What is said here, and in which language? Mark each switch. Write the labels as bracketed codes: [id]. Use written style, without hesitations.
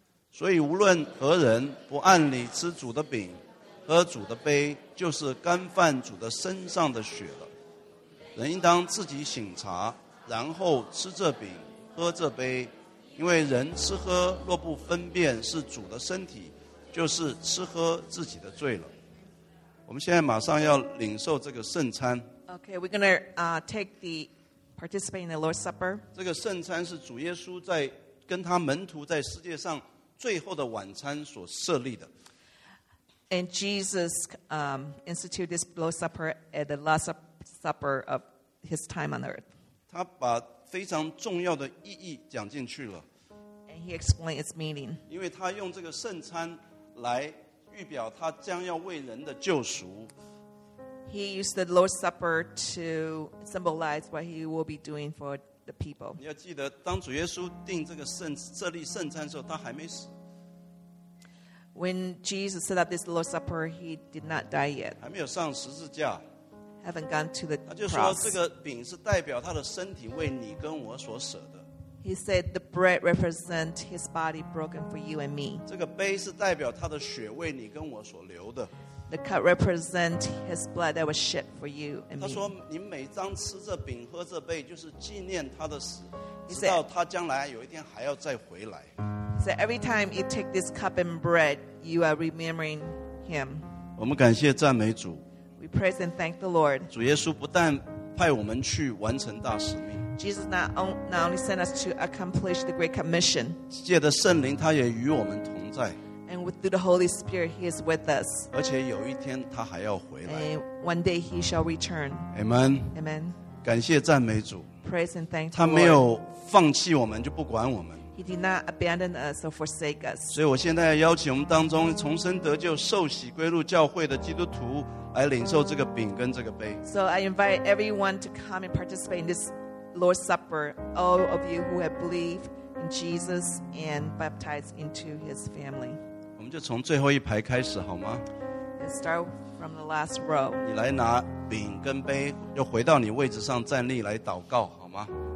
[zh] 所以无论何人不按理吃主的饼喝主的杯，就是干犯主的身上的血了。人应当自己省察，然后吃这饼喝这杯，因为人吃喝若不分辨是主的身体，就是吃喝自己的罪了。我们现在马上要领受这个圣餐。 [en] Okay, we're going to take the participate in the Lord's Supper. [zh] 这个圣餐是主耶稣在跟他门徒在世界上最后的晚餐所设立的。 [en] And Jesus instituted this Lord's Supper at the last supper of his time on earth. [zh] 他把非常重要的意义讲进去了。 [en] And he explained its meaning. [zh] 因为他用这个圣餐来预表他将要为人的救赎。 [en] He used the Lord's Supper to symbolize what he will be doing for the people. [zh] 你要记得，当主耶稣定这个圣设立圣餐的时候，他还没死。 [en] When Jesus set up this Lord's Supper, he did not die yet. [zh] 还没有上十字架。 [en] Haven't gone to the cross. [zh] 他就说，这个饼是代表他的身体为你跟我所舍的。 [en] He said the bread represents his body broken for you and me. [zh] 这个杯是代表他的血为你跟我所流的。 [en] The cup represents his blood that was shed for you and me. [zh] 他说，你每当吃这饼喝这杯，就是纪念他的死，直到他将来有一天还要再回来。 [en] So every time you take this cup and bread, you are remembering him. [zh] 我们感谢赞美主。 [en] We praise and thank the Lord. [zh] 主耶稣不但派我们去完成大使命。 [en] Jesus not only sent us to accomplish the great commission. [zh] 借着圣灵，他也与我们同在。 [en] And through the Holy Spirit, He is with us. [zh] 而且有一天他还要回来。 [en] And one day He shall return. Amen. Amen. [zh] 感谢赞美主。 [en] Praise and thank the [zh] Lord. 他没有放弃我们，就不管我们。 [en] He did not abandon us or forsake us. [zh] 所以我现在要邀请我们当中重生得救受洗归入教会的基督徒来领受这个饼跟这个杯。 [en] So I invite everyone to come and participate in this Lord's Supper. All of you who have believed in Jesus and baptized into his family. [zh] 我们就从最后一排开始好吗？ [en] Let's start from the last row. [zh] 你来拿饼跟杯，又回到你位置上站立来祷告好吗？